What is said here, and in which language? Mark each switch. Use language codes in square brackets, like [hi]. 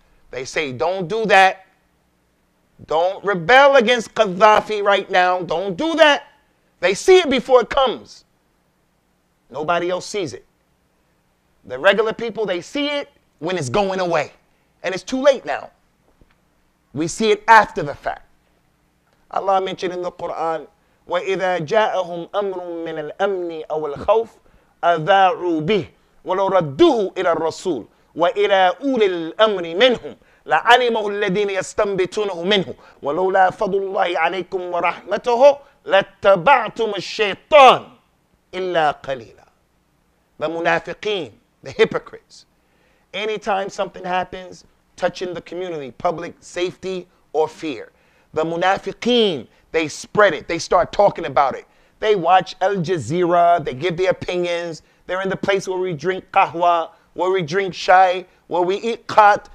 [en] They say, don't do that. Don't rebel against Gaddafi right now. Don't do that. They see it before it comes. Nobody else sees it. The regular people, they see it when it's going away. And it's too late now. We see it after the fact. Allah mentioned in the Quran, [ar] وَإِذَا جَاءَهُمْ أَمْرٌ مِّنَ الْأَمْنِ أَوَ الْخَوْفِ أَذَاعُوا بِهِ وَلَوْ رَدُّهُ إِلَى الرَّسُولِ وَإِلَىٰ أُولِي الْأَمْرِ مِنْهُمْ لَعَلِمَهُ الَّذِينَ يَسْتَنْبِتُونَهُ مِنْهُ وَلَوْ لَا فَضُلُ اللَّهِ عَلَيْكُمْ وَرَحْمَتُهُ لَاتَّبَعْتُمُ الشَّيْطَانِ إِلَّا قَلِيلًا. [en] The munafiqeen, the hypocrites. Anytime something happens touching the community, public safety or fear, the munafiqeen, they spread it, they start talking about it. They watch Al Jazeera, they give their opinions. They're in the place where we drink kahwa, where we drink shai, where we eat khat.